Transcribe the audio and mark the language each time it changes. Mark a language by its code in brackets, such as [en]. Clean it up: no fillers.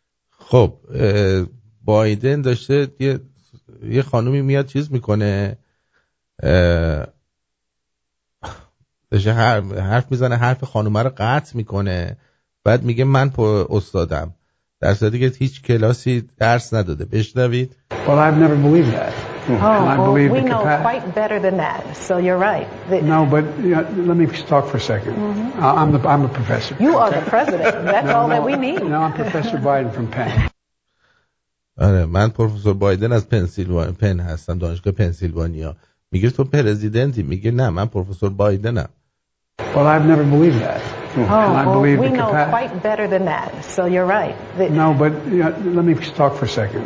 [fa] خب بایدن داشته یه خانومی میاد چیز میکنه، داشته حرف میزنه، حرف خانومه رو قطع میکنه، بعد میگه من استادم، در صورتی که هیچ کلاسی درس نداده. بشنوید. [en] Well, I've never believed that. We know quite better than that, so you're right. No, but you know, let me talk for a second. Mm-hmm. I'm a professor. You are the president. That's all that we need. No, I'm Professor Biden from Penn. [fa] آره من پروفسور بایدن از پنسیلوانیا پن هستم، دانشگاه پنسیلوانیا. میگه تو پرزیدنتی؟ میگه نه من پروفسور بایدنم. [en] Well, I've never believed that. We know quite better than that, so you're right. No, but you know, let me talk for a second.